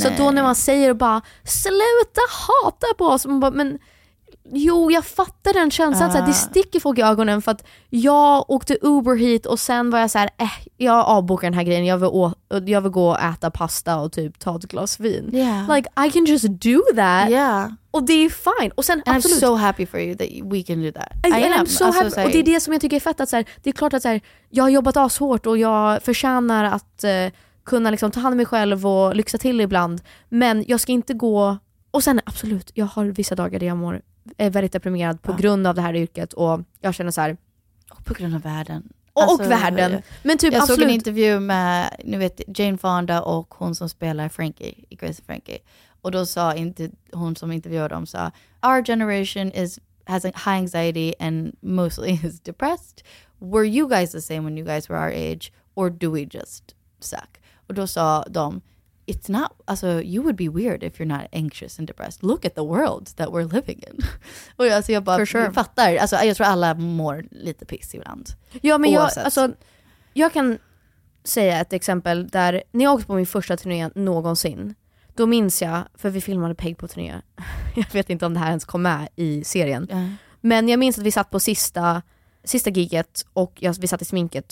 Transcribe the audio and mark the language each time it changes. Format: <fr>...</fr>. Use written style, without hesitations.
<sv>Så då när man säger bara, sluta hata på oss. Man bara, men jo, jag fattar den känslan. Så här, det sticker folk i ögonen för att jag åkte Uber hit och sen var jag så här, jag avbokar den här grejen. Jag vill gå och äta pasta och typ ta ett glas vin.</sv> <en>Yeah. Like, I can just do that. Yeah.</en> <sv>Och det är fine. Och sen,</sv> <en>I'm so happy for you that we can do that. I am so happy.</en> <sv>Och det är det som jag tycker är fett. Att så här, det är klart att så här, jag har jobbat ashårt och jag förtjänar att kunna liksom, ta hand om mig själv och lyxa till ibland. Men jag ska inte gå... Och sen, absolut, jag har vissa dagar där jag mår är väldigt deprimerad på grund av det här yrket. Och jag känner så här... Och på grund av världen. Alltså, och världen. Men typ, jag absolut. Såg en intervju med nu vet, Jane Fonda och hon som spelar Frankie i Grace and Frankie. Och då sa inte hon som intervjuade dem sa,</sv> <en>our generation has high anxiety and mostly is depressed. Were you guys the same when you guys were our age? or do we just suck?</en> <sv>Och då sa de,</sv> <en>it's not,</en> <sv>alltså,</sv> <en>you would be weird if you're not anxious and depressed. Look at the world that we're living in.</en> <sv>Och alltså, jag bara, sure. Fattar. Alltså, jag tror alla mår lite piss ibland. Ja, men jag, alltså, jag kan säga ett exempel där, när jag åkte på min första turné någonsin, då minns jag, för vi filmade Peg på turné. Jag vet inte om det här ens kom med i serien. Mm. Men jag minns att vi satt på sista giget och vi satt i sminket.</sv>